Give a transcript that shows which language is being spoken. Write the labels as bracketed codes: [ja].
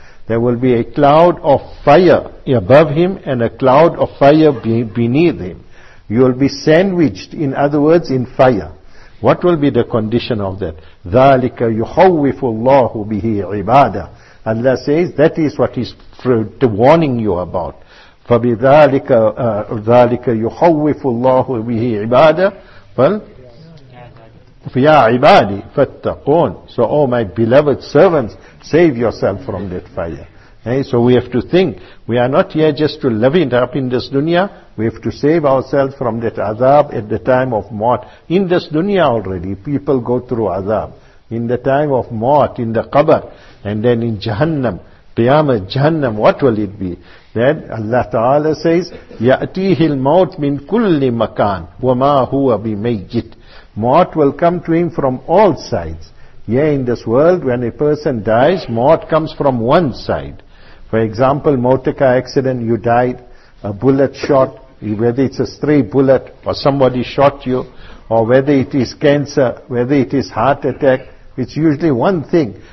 [en] There will be a cloud of fire above him and a cloud of fire beneath him. You will be sandwiched, in other words, in fire. What will be the condition of that? [ar] ذَلِكَ يُخَوِّفُ اللَّهُ بِهِ عِبَادَهُ. [en] Allah says, that is what he's warning you about. [ar] فَبِذَلِكَ ذَلِكَ يُخَوِّفُ اللَّهُ بِهِ عِبَادَهُ. Well, فَيَا عِبَادِ فَاتَّقُونَ. [en] So, oh my beloved servants, save yourself from that fire. So we have to think, we are not here just to live it up in this dunya, we have to save ourselves from that azab at the time of maut. In this dunya already, people go through azab. In the time of maut, in the qabr, and then in Jahannam, Qiyamah, Jahannam, what will it be? Then Allah Ta'ala says, [ar] يَأْتِيهِ الْمَوْتْ مِنْ كُلِّ مَكَانِ وَمَا هُوَ بِمَيْجِتْ. [en] Maut will come to him from all sides. Yeah, in this world, when a person dies, maut comes from one side. For example, motor car accident, you died, a bullet shot, whether it's a stray bullet or somebody shot you, or whether it is cancer, whether it is heart attack, it's usually one thing.